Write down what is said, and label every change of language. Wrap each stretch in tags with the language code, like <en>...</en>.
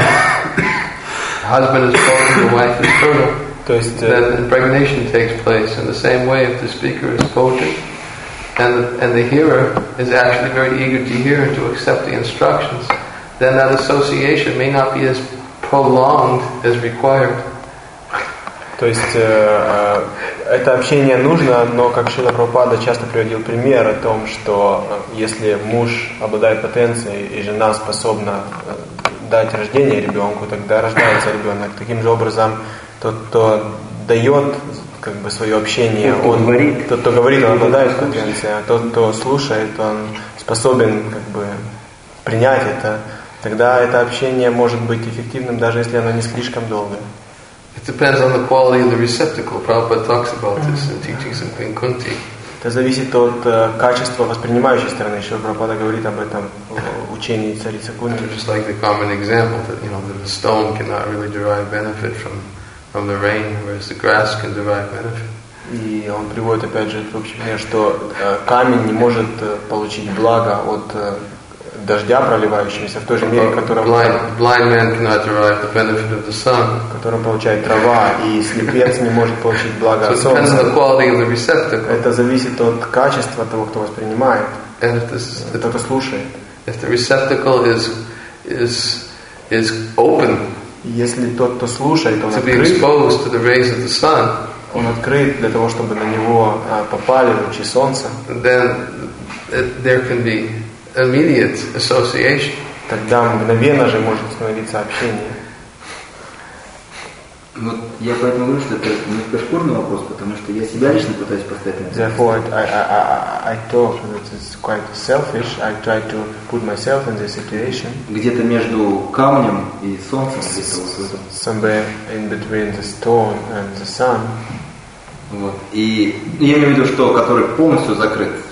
<en>The husband is potent, the wife is fertile.</en> <ru>То есть,</ru> <en>then impregnation takes place. In the same way, if the speaker is potent and the hearer is actually very eager to hear and to accept the instructions, then that association may not be as prolonged as required.</en> <ru>То есть это общение нужно, но как Шрила Прабхупада часто приводил пример о том, что если муж обладает потенцией и жена способна дать рождение ребенку, тогда рождается ребенок. Таким же образом, тот, кто дает как бы свое общение, он говорит. Тот, кто говорит, он обладает потенцией, а тот, кто слушает, он способен как бы принять это. Тогда это общение может быть эффективным, даже если оно не слишком долгое.</ru> <en>It depends on the quality of the receptacle. Prabhupada talks about this in teachings of Pinkunti.</en> <ru>Это зависит от качества воспринимающей стороны. Еще Прабхупада говорит об этом в учении царицы Кунти.</ru> <en>Just like the common example that, you know, that the stone cannot really derive benefit from the rain, whereas the grass can derive benefit.</en> <ru>И он приводит опять же в общем, что камень не может получить благо от дождя проливающегося в той же мере, которым получает трава, и слепец не может получить благо от солнца. Это зависит от качества того, кто воспринимает, кто слушает.</ru> <en>If the receptacle is open,</en> <ru>если тот, кто слушает, он открыт,</ru> <en>to be exposed to the rays of the sun,</en> <ru>он открыт для того, чтобы на него попали лучи солнца,</ru> <en>then there can be immediate association.</en> <ru>Тогда мгновенно же может становиться общение. Вот я поэтому говорю, что это немножко шкурный вопрос, потому что я себя лично пытаюсь поставить.</ru> <en>Therefore, I talk that it's quite selfish. I try to put myself in this situation.</en> <ru>Где-то между камнем и солнцем.</ru> <en>Somewhere in between the stone and the sun.</en> <ru>Вот. И я имею в виду, что который полностью закрыт.</ru>